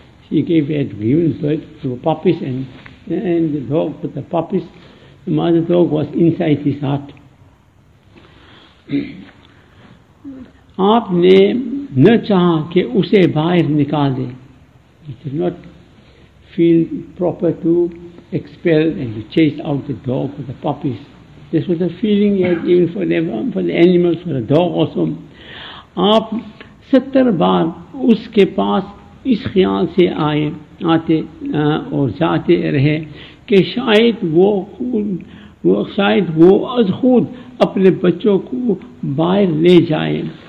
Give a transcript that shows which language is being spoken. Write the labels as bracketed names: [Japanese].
[English] He gave it, given birth to puppies and the dog, but the puppies, the mother dog was inside his heart. [Urdu] آپ نے نہ چاہا کہ اسے باہر نکال دیں. [English] He did not feel proper to expel and to chase out the dog or the puppies. This was a feeling he had even for the animals, for the dog also. [Urdu] آپ 70 بار اس کے پاس اس خیال سے آتے اور جاتے رہے کہ شاید وہ از خود اپنے بچوں کو باہر لے جائے.